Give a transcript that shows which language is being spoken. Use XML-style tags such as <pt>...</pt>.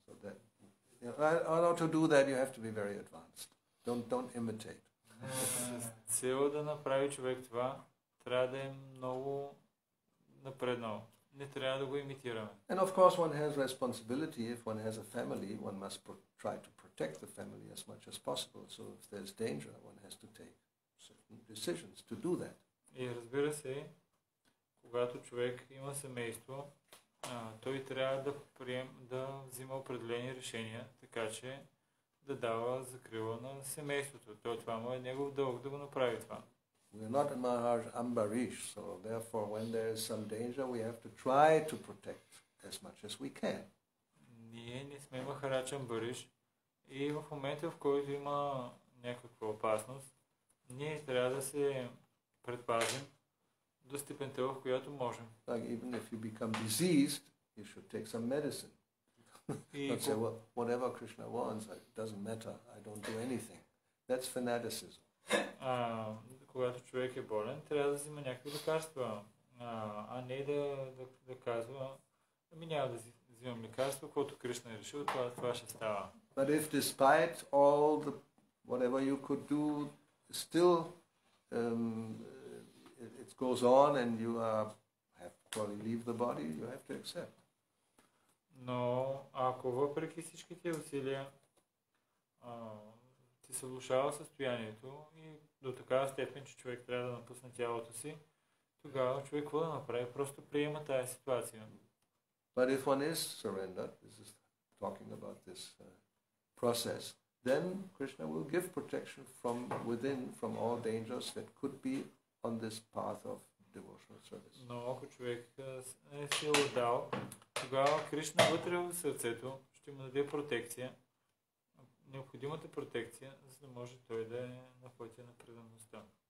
<en>So that, you know, to do that you have to be very advanced. Don't imitate.</en> <bg>Цел да направи човек това, трябва да е много напреднал. Не трябва да го имитираме.</bg> <en>And of course one has responsibility. If one has a family, one must try to protect the family as much as possible. So if there's danger, one has to take certain decisions to do that.</en> <bg>И разбира се, когато човек има семейство, той трябва да взима определени решения, така че да дава закрила на семейството. То това му е негов дълг да го направи това.</bg> <en>We are not in Maharaj Ambarish, so therefore when there is some danger, we have to try to protect as much as we can.</en> <bg>Ние не сме Махарадж Амбариш и в момента, в който има някаква опасност, ние трябва да се предпазим до степента, в която можем.</bg> <en>Like even if you become diseased, you should take some medicine. Not say, well, whatever Krishna wants, it doesn't matter, I don't do anything. That's fanaticism.</en> <bg>Когато човек е болен, трябва да взима някакви лекарства, а не да казва, ами няма да взимам лекарства, което Кришна е решил, това ще става.</bg> <en>But if despite all the whatever you could do, still it goes on and you have to leave the body, you have to accept.</en> <bg>Но ако въпреки всичките усилия ти се влушава състоянието и до такава степен, че човек трябва да напусне тялото си, тогава човек какво да направи? Просто приема тая ситуация.</bg> <en>But if one is surrendered, this is talking about this process, then Krishna will give protection from within, from all dangers that could be on this path of devotional service.</en> <bg>Но ако човек е си отдал, тогава Кришна вътре в сърцето ще му даде протекция, необходимата протекция, за да може той да е на пътя на предаността.</bg>